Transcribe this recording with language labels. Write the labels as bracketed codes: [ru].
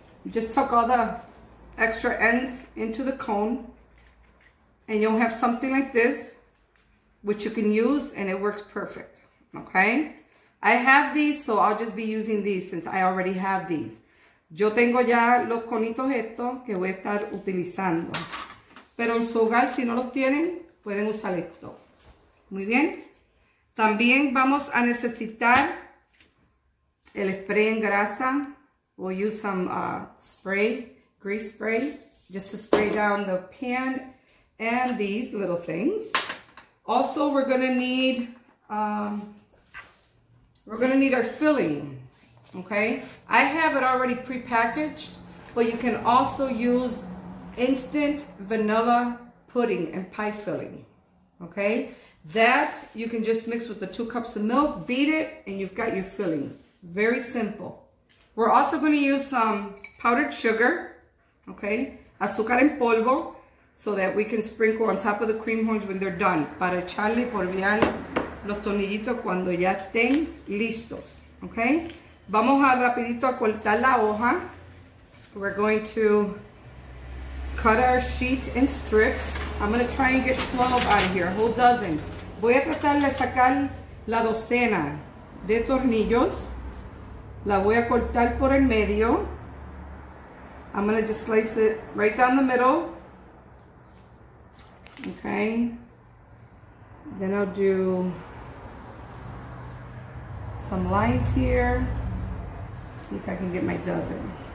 [en] Just tuck all the extra ends into the cone and you'll have something like this which you can use and it works perfect. Okay? I have these so I'll just be using these since I already have these. [es] Yo tengo ya los conitos estos que voy a estar utilizando. Pero en su hogar si no los tienen pueden usar esto. Muy bien, también vamos a necesitar el spray en grasa. [en] We'll use some spray, grease spray, just to spray down the pan and these little things. Also, we're gonna need our filling, okay? I have it already pre-packaged, but you can also use instant vanilla pudding and pie filling, okay? That you can just mix with the 2 cups of milk, beat it, and you've got your filling. Very simple. We're also going to use some powdered sugar, okay? Azúcar en polvo, so that we can sprinkle on top of the cream horns when they're done. [es] Para echarle por bien los tornillitos cuando ya estén listos, okay? Vamos a rapidito a cortar la hoja. [en] We're going to cut our sheet in strips. I'm going to try and get 12 out of here, a whole dozen. [es] Voy a tratar de sacar la docena de tornillos. La voy a cortar por el medio. [en] I'm going to just slice it right down the middle. Okay. Then I'll do some lines here. See if I can get my dozen.